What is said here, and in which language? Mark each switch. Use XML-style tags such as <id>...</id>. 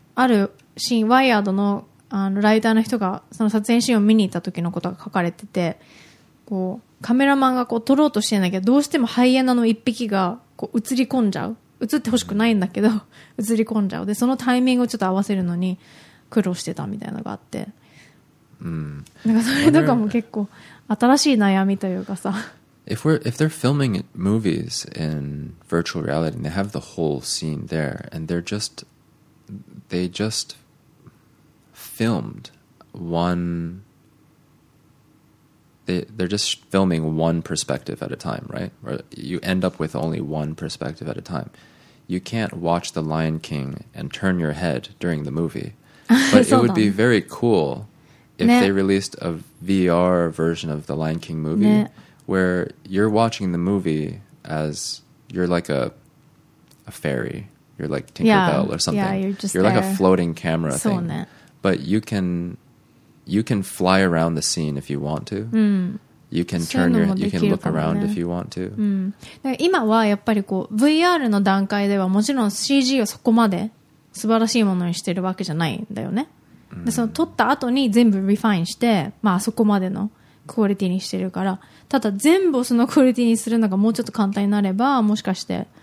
<ja>あるシーン、ワイヤード の, あのライターの人がその撮影シーンを見に行った時のことが書かれてて、こうカメラマンがこう撮ろうとしてんだけど、どうしてもハイエナの一匹がこう映り込んじゃう、映ってほしくないんだけど映り込んじゃう、でそのタイミングをちょっと合わせるのに苦労してたみたいなのがあって、うん、なんかそれとかも結構新しい悩みというかさ、</ja> <en>If they're filming movies in virtual reality and they have the whole scene there and they just filmed one, they're just filming one perspective at a time, right? Or you end up with only one perspective at a time. You can't watch The Lion King and turn your head during the movie. But it would be very cool if、ね、they released a VR version of The Lion King movie、ね、where you're watching the movie as you're like a fairy. You're like Tinkerbell yeah, or something. Yeah, you're just you're there. Like a floating camera、</en> <ja>そうね、</ja> <en>thing. But you can fly around the scene if you want to.、</en> <ja>うん、</ja> <en>you can turn your, you can look around、</en> <ja>ね、</ja> <en>if you want to.、</en> <ja>うん、だから今はやっぱりこう VR の段階ではもちろん CG はそこまで素晴らしいものにしてるわけじゃないんだよね。でその撮った後に全部リファインして、まあそこまでのクオリティにしてるから、ただ全部をそのクオリティにするのがもうちょっと簡単になれば、もしかして。</ja>